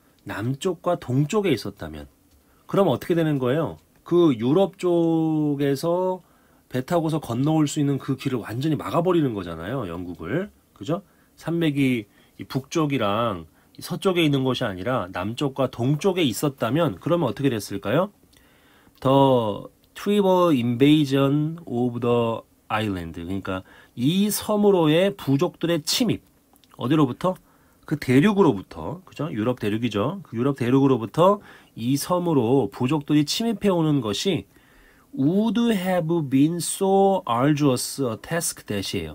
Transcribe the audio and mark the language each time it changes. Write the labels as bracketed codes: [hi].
[ko] 남쪽과 동쪽에 있었다면, 그럼 어떻게 되는 거예요? 그 유럽 쪽에서 배 타고서 건너올 수 있는 그 길을 완전히 막아버리는 거잖아요, 영국을. 그죠? 산맥이 북쪽이랑 서쪽에 있는 것이 아니라 남쪽과 동쪽에 있었다면, 그러면 어떻게 됐을까요? [en] The tribal invasion of the island. [ko] 그러니까 이 섬으로의 부족들의 침입. 어디로부터? 그 대륙으로부터. 그죠? 유럽 대륙이죠? 그 유럽 대륙으로부터 이 섬으로 부족들이 침입해 오는 것이 [en] would have been so arduous a task [ko] 대시예요.